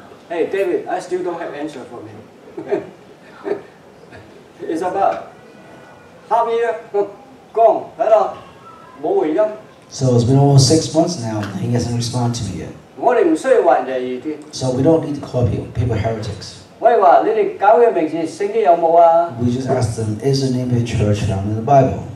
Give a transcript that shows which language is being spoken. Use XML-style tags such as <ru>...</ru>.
<en>Hey, David, I still don't have answer for me. It's about half year gone. Hello?</en> <zh>没回音.</zh> <en>So it's been almost 6 months now, and he hasn't responded to me yet.</en> <zh>我们不需要问你,</zh> <en>so we don't need to call people heretics.</en> <zh>我说,你们教会的名字,圣经有没有啊?</zh> <en>We just asked them, is the name of the church found in the Bible?</en>